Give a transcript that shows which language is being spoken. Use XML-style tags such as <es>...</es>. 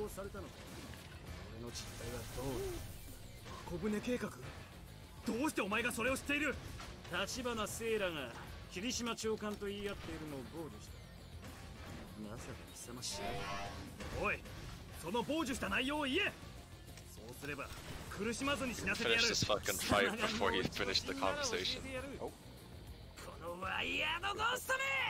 <ja>俺の実態はどう？箱舟計画？どうしてお前がそれを知っている？立花セイラが霧島長官と言い合っているのを傍受した。まさか貴様知らない。おい、その傍受した内容を言え。そうすれば苦しまずに死なせてやる。</ja> <en>Finish this fucking fight before he finished the conversation.</en> <ja>このワイヤードゴーストめ。</ja>